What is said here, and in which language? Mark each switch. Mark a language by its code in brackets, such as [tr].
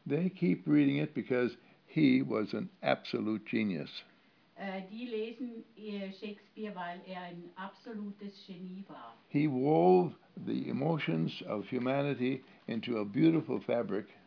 [en] They keep reading it because he was an absolute genius. [de] Die lesen Shakespeare, weil er ein absolutes Genie war. [en] He wove the emotions of humanity into a beautiful fabric.